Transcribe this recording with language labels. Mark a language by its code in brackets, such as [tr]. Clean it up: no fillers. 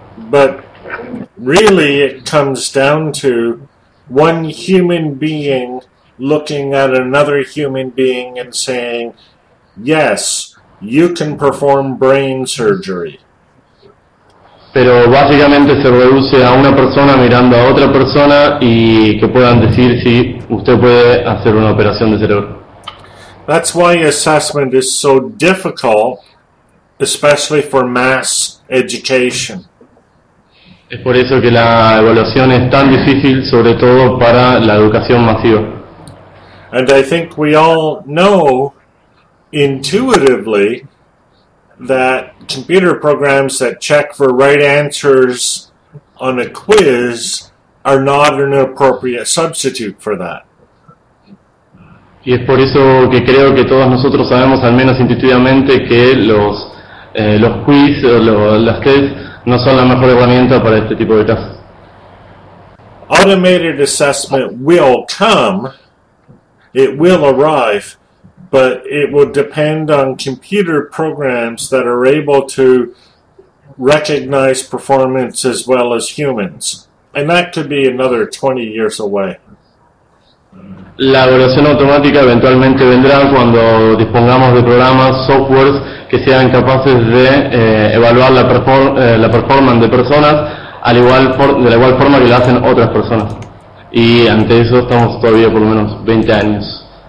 [en] But really it comes down to one human being looking at another human being and saying, yes, you can perform brain surgery. [es] Pero básicamente se reduce a una persona mirando a otra persona y que puedan decir si usted puede hacer una operación de cerebro. [en] That's why assessment is so difficult, especially for mass education. [es] Es por eso que la evaluación es tan difícil, sobre todo para la educación masiva. [en] And I think we all know intuitively that computer programs that check for right answers on a quiz are not an appropriate substitute for that. [es] Y es por eso que creo que todos nosotros sabemos, al menos intuitivamente, que los quiz o las tests no son la mejor herramienta para este tipo de casos. [en] Automated assessment will come. It will arrive, but it will depend on computer programs that are able to recognize performance as well as humans. And that could be another 20 years away. [es] La evaluación automática eventualmente vendrá cuando dispongamos de programas, softwares, que sean capaces de evaluar la performance de personas de la igual forma que lo hacen otras personas. Y ante eso estamos todavía por lo menos 20 años.